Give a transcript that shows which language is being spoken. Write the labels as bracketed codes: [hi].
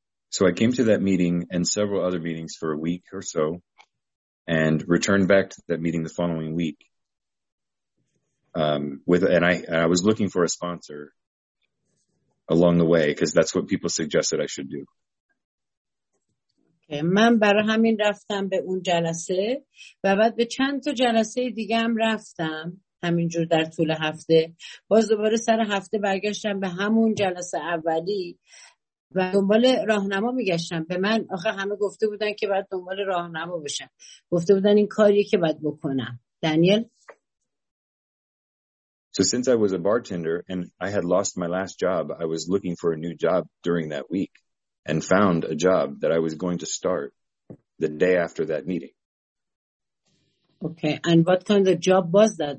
[en] So I came to that meeting and several other meetings for a week or so and returned back to that meeting the following week. I was looking for a sponsor along the way because that's what people suggested I should do. [fa] من برای همین رفتم به اون جلسه و بعد به چند تا جلسه دیگه هم رفتم همینجور در طول هفته. باز دوباره سر هفته برگشتم به همون جلسه اولی و دنبال راهنما میگشتم. به من آخه همه گفته بودن که باید دنبال راهنما بشم، گفته بودن این کاریه که باید بکنم. دانیل. [en] So since I was a bartender and I had lost my last job, I was looking for a new job during that week. And found a job that I was going to start the day after that meeting. Okay, and what kind of job was that?